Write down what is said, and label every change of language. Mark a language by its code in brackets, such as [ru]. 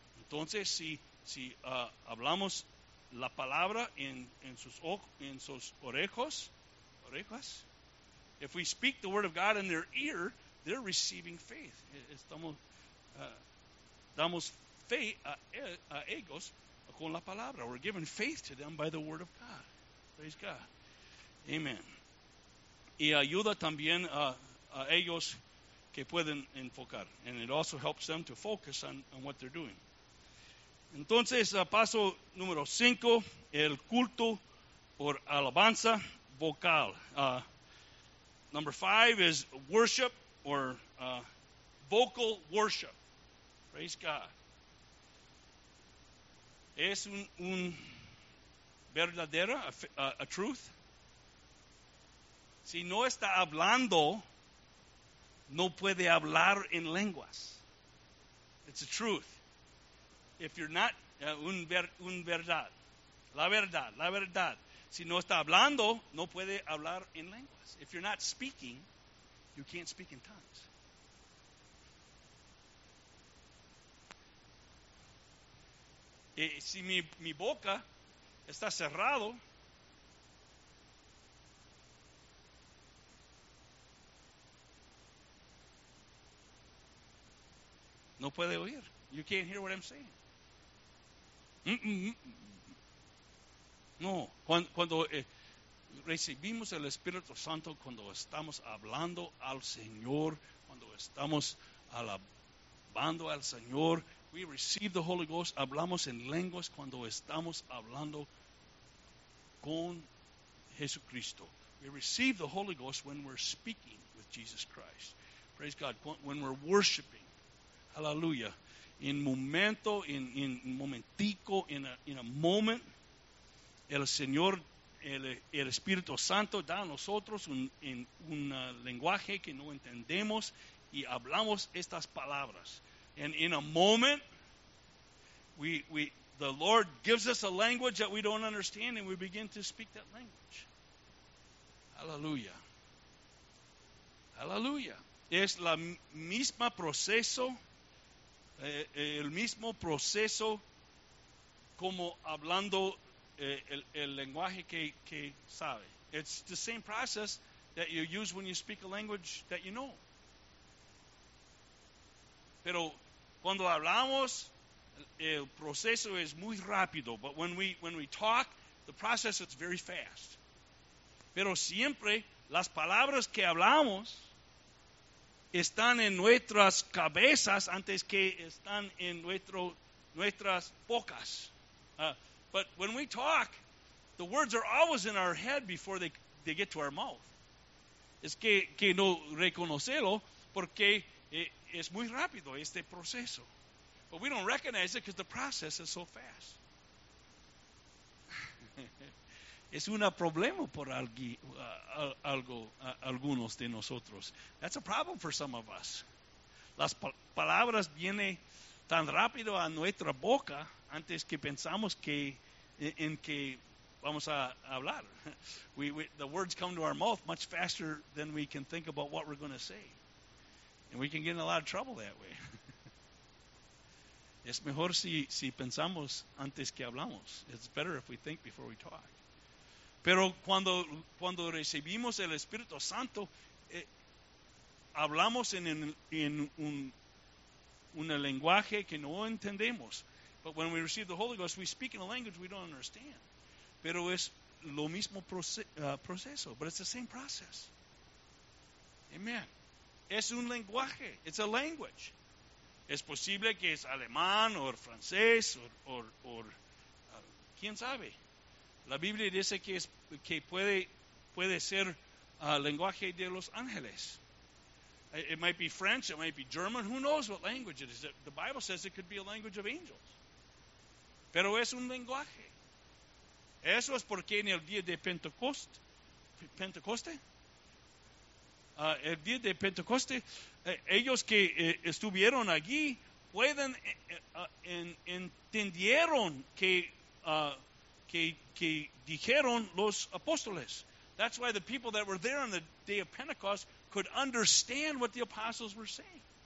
[es] Entonces, si hablamos la palabra en sus orejas, [en] if we speak the word of God in their ear, they're receiving faith. [es] Damos fe a ellos con la palabra. [en] We're giving faith to them by the word of God. Praise God. Amen. [es] Y ayuda también a ellos que pueden enfocar. [en] And it also helps them to focus on what they're doing. [es] Entonces, paso número 5, el culto por alabanza vocal. [en] Number 5 is worship or vocal worship. Praise God. [es] Es un verdadera [en] a truth. [es] Si no está hablando, no puede hablar en lenguas. [en] It's a truth. If you're not, [es] un verdad. La verdad. Si no está hablando, no puede hablar en lenguas. [en] If you're not speaking, you can't speak in tongues. [es] Si mi boca está cerrado, no puede oír. [en] You can't hear what I'm saying. [es] No, cuando recibimos el Espíritu Santo, cuando estamos hablando al Señor, cuando estamos alabando al Señor, [en] we receive the Holy Ghost, [es] hablamos en lenguas cuando estamos hablando con Jesucristo. [en] We receive the Holy Ghost when we're speaking with Jesus Christ. Praise God. When we're worshiping. Hallelujah. [es] En momento, en momentico, [en] in a moment, [es] el Señor, el Espíritu Santo da a nosotros un lenguaje que no entendemos y hablamos estas palabras. [en] And in a moment, we the Lord gives us a language that we don't understand and we begin to speak that language. Hallelujah. Hallelujah. [es] Es la misma proceso, el mismo proceso como hablando el lenguaje que sabe. [en] It's the same process that you use when you speak a language that you know. [es] Pero cuando hablamos, el proceso es muy rápido. [en] But when we talk, the process is very fast. [es] Pero siempre las palabras que hablamos están en nuestras cabezas antes que están en nuestras bocas. [en] But when we talk, the words are always in our head before they get to our mouth. [es] Es que no reconocerlo porque es muy rápido este proceso. [en] But we don't recognize it because the process is so fast. [es] Es un problema por algunos de nosotros. [en] That's a problem for some of us. [es] Las palabras vienen tan rápido a nuestra boca antes que pensamos en que vamos a hablar. [en] The words come to our mouth much faster than we can think about what we're going to say. And we can get in a lot of trouble that way. [es] Es mejor si pensamos antes que hablamos. [en] It's better if we think before we talk. [es] Pero cuando recibimos el Espíritu Santo, hablamos en un lenguaje que no entendemos. [en] But when we receive the Holy Ghost, we speak in a language we don't understand. [es] Pero es lo mismo proceso. [en] But it's the same process. Amen. [es] Es un lenguaje. [en] It's a language. [es] Es posible que es alemán o francés o quién sabe. La Biblia dice que es que puede ser lenguaje de los ángeles. [en] It might be French, it might be German, who knows what language it is. The Bible says it could be a language of angels. [es] Pero es un lenguaje. Eso es porque en el día de Pentecoste, ellos que estuvieron allí pueden entendieron que que dijeron los apóstoles. [en] That's why the people that were there on the day of Pentecost could understand what the apostles were saying.